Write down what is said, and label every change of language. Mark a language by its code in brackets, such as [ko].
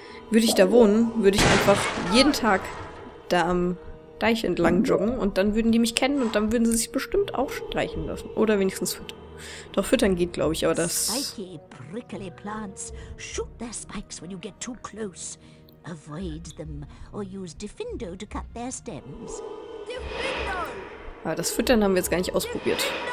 [de] Würde ich da wohnen, würde ich einfach jeden Tag da am Deich entlang joggen und dann würden die mich kennen und dann würden sie sich bestimmt auch streichen lassen. Oder wenigstens füttern. Doch füttern geht, glaube ich, aber das... [en] Spiky, prickly plants. Shoot their spikes when you get too close. Avoid them or use Defindo to cut their stems. [de] Aber das Füttern haben wir jetzt gar nicht ausprobiert.